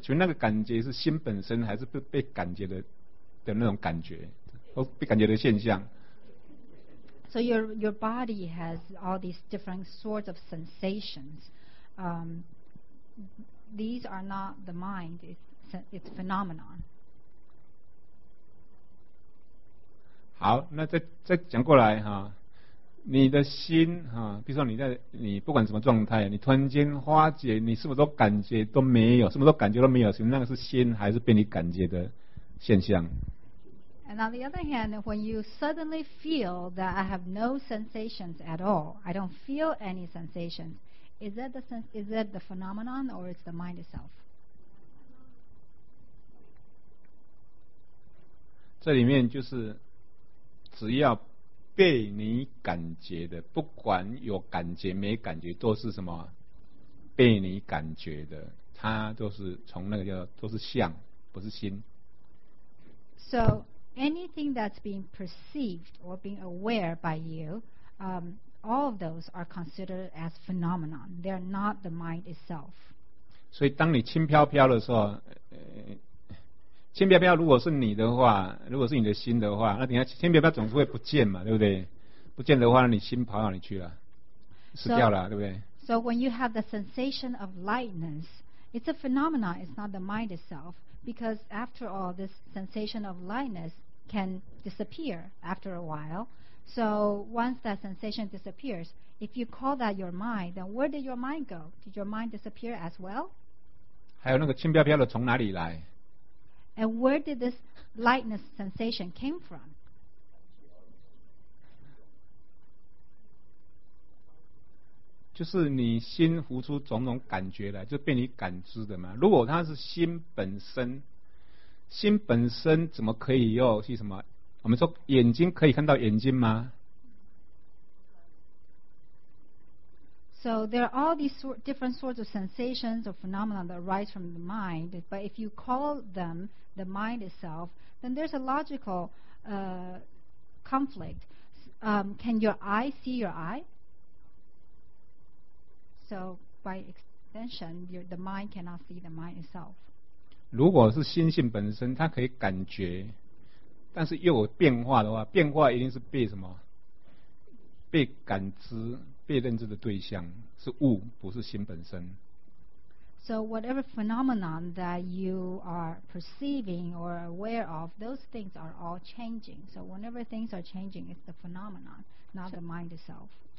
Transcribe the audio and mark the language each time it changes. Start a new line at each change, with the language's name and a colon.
Chinese: 就那个感觉是心本身，还是被感觉的那种感觉，或被感觉的现象？
English: So your body has all these different sorts of sensations. These are not the mind, it's phenomenon.
Chinese: 好，那再讲过来哈，你的心哈，比如说你不管什么状态，你突然间花解，你什么都感觉都没有，什么都感觉都没有，是那个是心还是被你感觉的现象？
English: And on the other hand, when you suddenly feel that I have no sensations at all, I don't feel any sensations, is that the phenomenon or is the mind itself?
Chinese: 这里面就是只要被你感觉的，不管有感觉没感觉，都是什么被你感觉的，它都是从那个叫都是相，不是心。
English: So. Anything that's being perceived or being aware by you, all of those are considered as phenomenon. They're not the mind itself.
Chinese: 所以当你轻飘飘的时候，轻飘飘如果是你的话，如果是你的心的话，那等下轻飘飘总是会不见嘛，对不对？不见的话，你心跑哪里去了？死掉了，对不对？
English: So when you have the sensation of lightness, it's a phenomenon. It's not the mind itself. Because after all, this sensation of lightness can disappear after a while. So once that sensation disappears, if you call that your mind, then where did your mind go? Did your mind disappear as well?
Chinese: 还有那个轻飘飘的从哪里来？
English: And where did this lightness sensation came from?
Chinese: 就是你心浮出种种感觉来，就被你感知的嘛。如果它是心本身，心本身怎么可以又是什么？我们说眼睛可以看到眼睛吗
English: ？So there are all these different sorts of sensations or phenomena that arise from the mind, but if you call them the mind itself, then there's a logical conflict. Can your eye see your eye? So by extension, the mind cannot see the mind itself.
Chinese: 如果是心性本身，它可以感觉，但是又有变化的话，变化一定是被什么？被感知、被认知的对象是物，不是心本身。
English: So whatever phenomenon that you are perceiving or aware of, those things are all changing. So whenever things are changing, it's the phenomenon, not the mind itself.